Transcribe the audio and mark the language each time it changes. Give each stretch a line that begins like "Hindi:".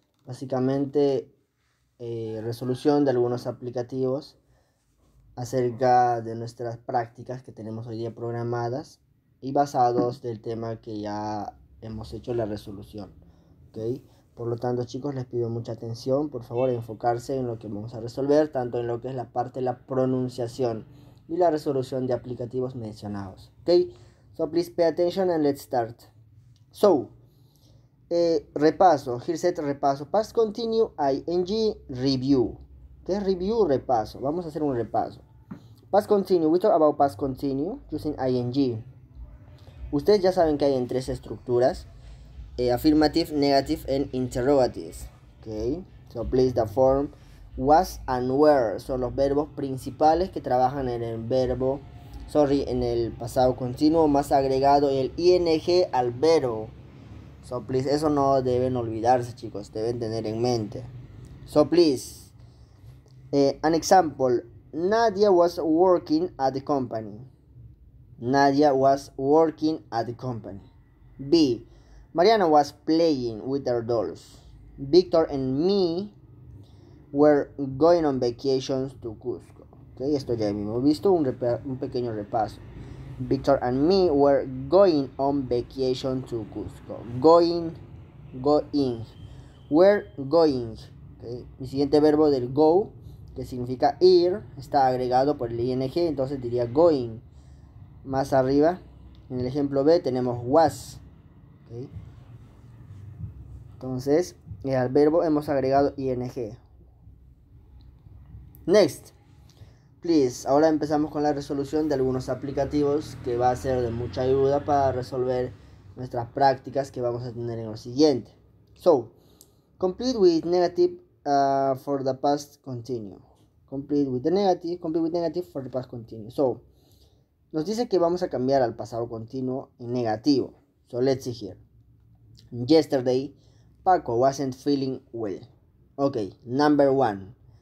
Spanish: Básicamente, resolución de algunos aplicativos acerca de nuestras prácticas que tenemos hoy día programadas y basados del tema que ya hemos hecho la resolución. ¿Okay? Por lo tanto chicos, les pido mucha atención, por favor enfocarse en lo que vamos a resolver, tanto en lo que es la parte de la pronunciación y la resolución de aplicativos mencionados.
English: Ok, so please pay attention and let's start. So, repaso, here's it, repaso, past continue, ing, review.
Spanish: ¿Qué es review? Repaso, vamos a hacer un repaso.
English: Past continue, we talk about past continue using ing.
Spanish: Ustedes ya saben que hay en tres estructuras:
English: affirmative, negative, and interrogatives. Ok, so please the form. Was and were
Spanish: son los verbos principales que trabajan en el verbo,
English: sorry,
Spanish: en el pasado continuo, más agregado el ing al verbo.
English: So please,
Spanish: eso no deben olvidarse, chicos, deben tener en mente.
English: So please, an example: Nadia was working at the company. Nadia was working at the company. B. Mariana was playing with her dolls. Victor and me we're going on vacations to Cusco.
Spanish: Okay, esto ya hemos visto, un pequeño repaso.
English: Victor and me were going on vacation to Cusco. Going. We're going. Okay.
Spanish: Mi siguiente verbo del go, que significa ir, está agregado por el ing, entonces diría going. Más arriba, en el ejemplo B, tenemos was. Okay. Entonces, al verbo hemos agregado ing.
English: Next, please.
Spanish: Ahora empezamos con la resolución de algunos aplicativos que va a ser de mucha ayuda para resolver nuestras prácticas que vamos a tener en lo siguiente.
English: So, complete with negative for the past continue. Complete with negative for the past continue. So,
Spanish: nos dice que vamos a cambiar al pasado continuo en negativo.
English: So, let's see here. Yesterday, Paco wasn't feeling well. Ok, number one.